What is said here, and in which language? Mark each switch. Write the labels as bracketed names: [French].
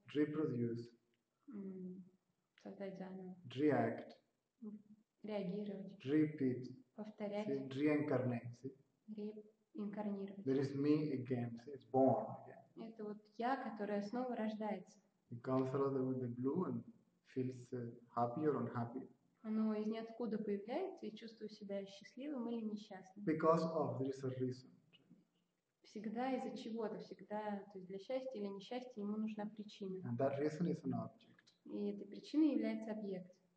[English] Reproduce. [Russian] Создать заново. [English] React. [Russian] Реагировать. [English] Repeat. [Russian] Повторять. [English] See, reincarnate. [Russian] Реинкарнировать. [English] There is me again. See, it's born again. [Russian] Это вот я, которая снова рождается. [English] It comes out of the blue and feels happy or unhappy. [Russian] Оно из ниоткуда появляется и чувствует себя счастливым или несчастным. [English] Because of, there is a reason. [Russian] Всегда из-за чего-то, всегда, то есть для счастья или несчастья ему нужна причина. [English] And that reason is an object. [Russian] И этой причиной является объект.